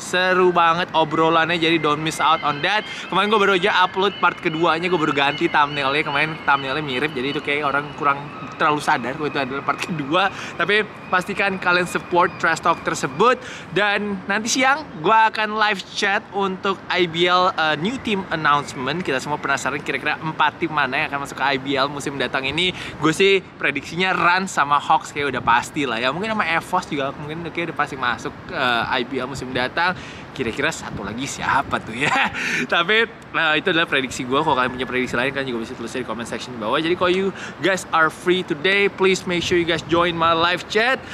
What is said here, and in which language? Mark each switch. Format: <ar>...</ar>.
<id>Seru banget obrolannya, jadi</id> <en>don't miss out on that.</en> <id>Kemarin gue baru aja upload part keduanya, gue baru ganti thumbnailnya. Kemarin thumbnailnya mirip, jadi itu kayak orang kurang terlalu sadar kalau itu adalah part kedua. Tapi pastikan kalian support trash talk tersebut. Dan nanti siang gue akan live chat untuk IBL new team announcement. Kita semua penasaran kira-kira 4 tim mana yang akan masuk ke IBL musim datang ini. Gue sih prediksinya Run sama Hawks kayak udah pasti lah ya. Mungkin sama Evos juga mungkin kayak udah pasti masuk IBL musim datang. Kira-kira satu lagi siapa tuh ya. Tapi itu adalah prediksi gue. Kalau kalian punya prediksi lain, kalian juga bisa tulisnya di comment section di bawah. Jadi kalau</id> <en>you guys are free today, please make sure you guys join my live chat.</en>